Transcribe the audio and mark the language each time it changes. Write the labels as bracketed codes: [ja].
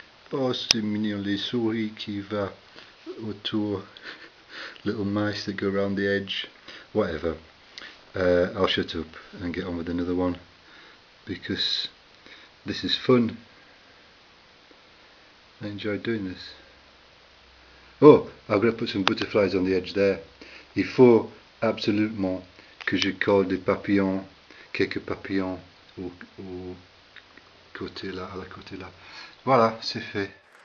[fr] Oh, c'est mignon, les souris qui va autour. [en] Little mice that go around the edge. Whatever. I'll shut up and get on with another one. Because this is fun. I enjoy doing this. Oh, I'm going to put some butterflies on the edge there. [fr] Il faut absolument que je colle des papillons, quelques papillons, au côté là, à la côté là. Voilà, c'est fait.